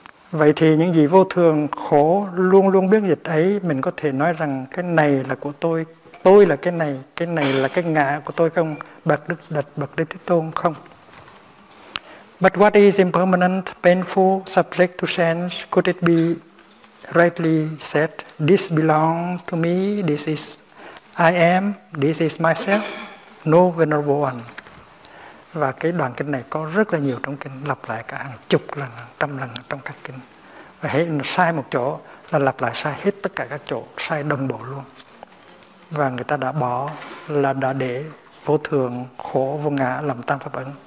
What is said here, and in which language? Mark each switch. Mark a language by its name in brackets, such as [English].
[Vietnamese] Vậy thì những gì vô thường, khổ, luôn luôn biến dịch ấy, mình có thể nói rằng cái này là của tôi. Tôi là cái này là cái ngã của tôi không? Bạch Đức Thế Tôn không? [English] But what is impermanent, painful, subject to change, could it be rightly said, this belong to me, this is I am, this is myself, no venerable one. [Vietnamese] Và cái đoạn kinh này có rất là nhiều trong kinh, lặp lại cả hàng chục lần, hàng trăm lần trong các kinh. Và hễ sai một chỗ là lặp lại sai hết tất cả các chỗ, sai đồng bộ luôn. Và người ta đã bỏ là đã để vô thường, khổ, vô ngã làm tăng pháp ấn.